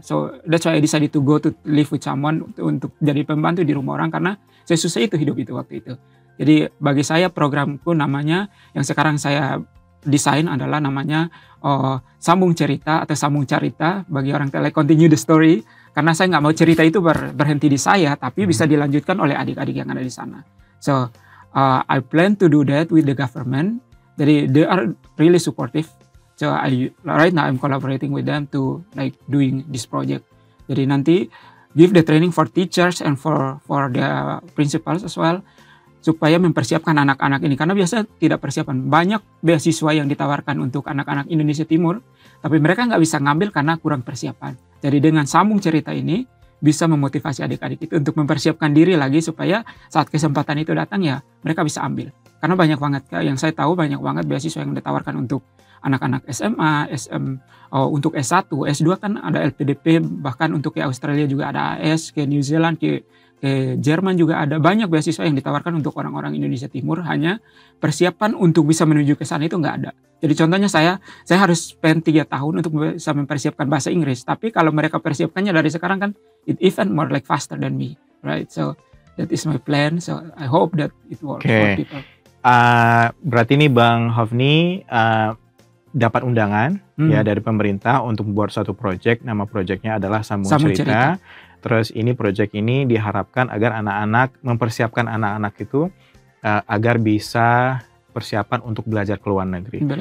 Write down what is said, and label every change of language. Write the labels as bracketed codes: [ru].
[en] So that's why I decided to go to live with someone [id] untuk jadi pembantu di rumah orang karena saya susah itu hidup itu waktu itu. Jadi bagi saya programku namanya yang sekarang saya desain adalah namanya sambung cerita atau sambung cerita bagi orang tele, [en] continue the story, [id] karena saya nggak mau cerita itu berhenti di saya tapi bisa dilanjutkan oleh adik-adik yang ada di sana. [en] So I plan to do that with the government. [id] Jadi [en] they are really supportive. So right now I'm collaborating with them to like doing this project. [id] Jadi nanti [en] give the training for teachers and for the principals as well [id] supaya mempersiapkan anak-anak ini karena biasanya tidak persiapan. Banyak beasiswa yang ditawarkan untuk anak-anak Indonesia Timur tapi mereka nggak bisa ngambil karena kurang persiapan. Jadi dengan sambung cerita ini bisa memotivasi adik-adik itu untuk mempersiapkan diri lagi supaya saat kesempatan itu datang ya mereka bisa ambil. Karena banyak banget yang saya tahu banyak banget beasiswa yang ditawarkan untuk anak-anak SMA, untuk S1, S2 kan ada LPDP, bahkan untuk ke Australia juga ada AS, ke New Zealand, ke Jerman juga ada. Banyak beasiswa yang ditawarkan untuk orang-orang Indonesia Timur, hanya persiapan untuk bisa menuju ke sana itu nggak ada. Jadi contohnya saya harus spend 3 tahun untuk bisa mempersiapkan bahasa Inggris. Tapi kalau mereka persiapkannya dari sekarang kan, [en] it even more like faster than me, right? So that is my plan, so I hope that it works okay. For people. [id] Berarti nih Bang Hovni, dapat undangan ya dari pemerintah untuk membuat suatu project, nama projectnya adalah Sambung Cerita. Terus ini project ini diharapkan agar anak-anak, mempersiapkan anak-anak itu agar bisa persiapan untuk belajar ke luar negeri.